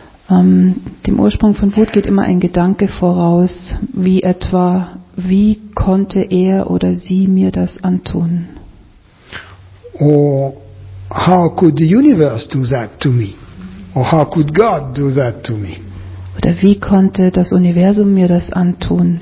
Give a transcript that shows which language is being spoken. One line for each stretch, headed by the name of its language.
German: Dem Ursprung von Wut geht immer ein Gedanke voraus, wie etwa, wie konnte er oder sie mir das antun?
English: Or how could the universe do that to me? Or how could God do that to me?
German: Oder wie konnte das Universum mir das antun?